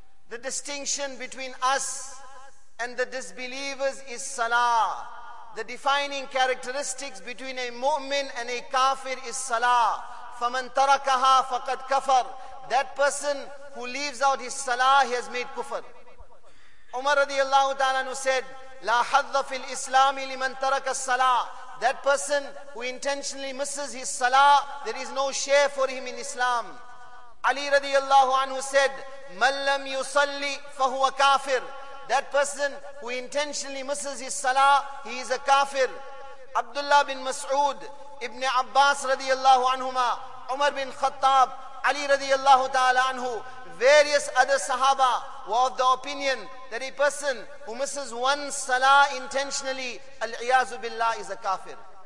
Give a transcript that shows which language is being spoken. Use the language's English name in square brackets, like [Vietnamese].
[English] The distinction between us and the disbelievers is salah. The defining characteristics between a mu'min and a kafir is salah. [Arabic] فَمَن تَرَكَهَا فَقَدْ كَفَرْ. [English] That person who leaves out his salah, he has made kufr. Umar radiallahu ta'ala said, [Arabic] لَا حَظَّ فِي الْإِسْلَامِ لِمَن تَرَكَ الصَّلَاةِ. [English] That person who intentionally misses his salah, there is no share for him in Islam. Ali radiallahu anhu said, [Arabic] مَن لَمْ يُصَلِّ فَهُوَ كَافِرْ. [English] That person who intentionally misses his salah, he is a kafir. Abdullah bin Mas'ud, Ibn Abbas radiallahu anhuma, Umar bin Khattab, Ali radiallahu ta'ala anhu, various other sahaba were of the opinion that a person who misses one salah intentionally, al-iyazu billah, is a kafir.